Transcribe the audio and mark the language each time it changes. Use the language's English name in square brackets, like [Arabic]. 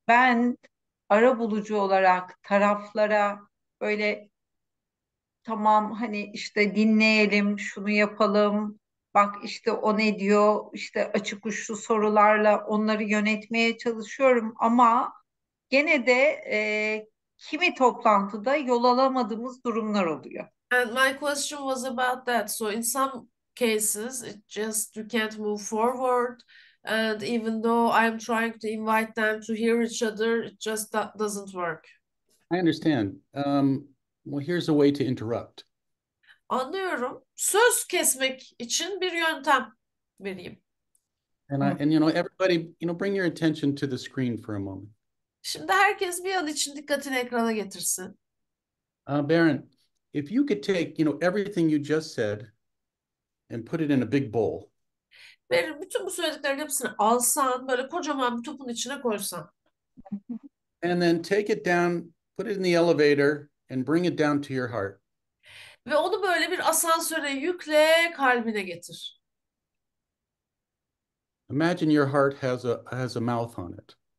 [Turkish] Ben arabulucu olarak taraflara böyle tamam, hani işte dinleyelim, şunu yapalım. Bak işte o ne diyor, işte açık uçlu sorularla onları yönetmeye çalışıyorum ama gene de kimi toplantıda yol alamadığımız durumlar oluyor. [English] And my question was about that. So in some cases, it just you can't move forward. And even though I'm trying to invite them to hear each other, it just doesn't work. I understand. Well, here's a way to interrupt. [Turkish] Anlıyorum. Söz kesmek için bir yöntem vereyim. [English] And you know, everybody, you know, bring your attention to the screen for a moment. [Turkish] Şimdi herkes bir an için dikkatini ekrana getirsin. [English] Baron, if you could take, you know, everything you just said and put it in a big bowl. [Turkish] Verir bütün bu söylediklerin hepsini alsan, böyle kocaman bir topun içine koysan. [English] And then take it down, put it in the elevator and bring it down to your heart. [Turkish] Ve onu böyle bir asansöre yükle, kalbine getir. [English] Imagine your heart has a mouth on it.